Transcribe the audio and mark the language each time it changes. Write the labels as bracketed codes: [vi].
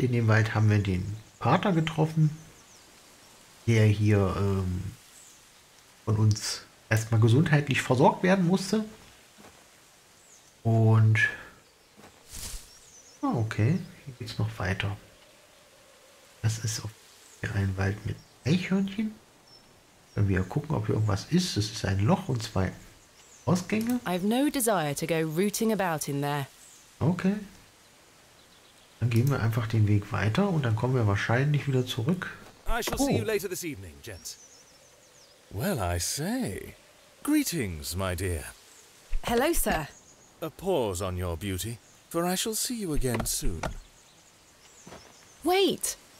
[de] In dem Wald haben wir den Pater getroffen, der hier von uns erstmal gesundheitlich versorgt werden musste. Und okay, hier geht's noch weiter. Das ist hier ein Wald mit Eichhörnchen. Wenn wir gucken, ob hier irgendwas ist, es ist ein Loch und 2 Ausgänge. [en] I have no desire to go rooting about in there. Okay. [de] Dann gehen wir einfach den Weg weiter und dann kommen wir wahrscheinlich wieder zurück. [en] I shall see you later this evening, gents. Well, I say. Greetings, my dear. Hello, sir. A pause on your beauty, for I shall see you again soon. Wait.